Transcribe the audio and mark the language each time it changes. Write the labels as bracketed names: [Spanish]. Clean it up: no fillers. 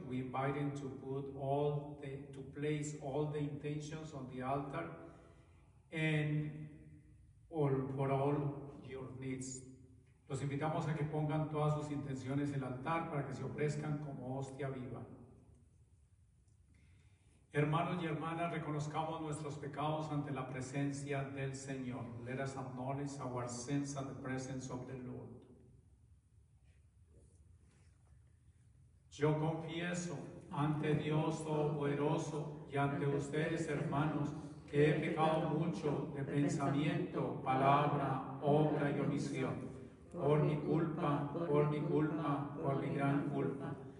[English] We invite you to put all the to place all the intentions on the altar and all for all your needs. [Spanish] Los invitamos a que pongan todas sus intenciones en el altar para que se ofrezcan como hostia viva. Hermanos y hermanas, reconozcamos nuestros pecados ante la presencia del Señor. [English] Let us acknowledge our sins at the presence of the Lord. [Spanish] Yo confieso ante Dios Todopoderoso y ante ustedes, hermanos, que he pecado mucho de pensamiento, palabra, obra y omisión. Por mi gran culpa.